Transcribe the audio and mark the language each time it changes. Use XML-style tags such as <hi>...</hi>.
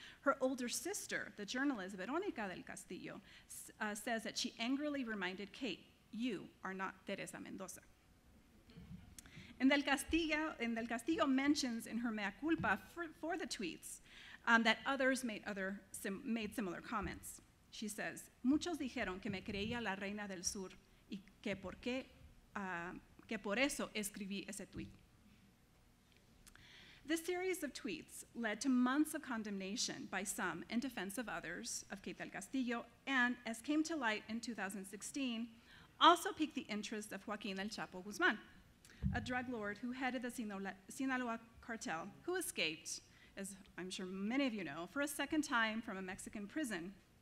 <en>Her older sister, the journalist Veronica del Castillo, says that she angrily reminded Kate, you are not Teresa Mendoza. And del Castillo mentions in her mea culpa for the tweets that others made similar comments. She says,</en> <es>muchos dijeron que me creía la reina del sur y que por qué, que por eso escribí ese tweet.</es> <en>This series of tweets led to months of condemnation by some in defense of others of Kate del Castillo, and as came to light in 2016, also piqued the interest of Joaquin El Chapo Guzman, a drug lord who headed the Sinaloa cartel, who escaped, as I'm sure many of you know, for a second time from a Mexican prison.</en>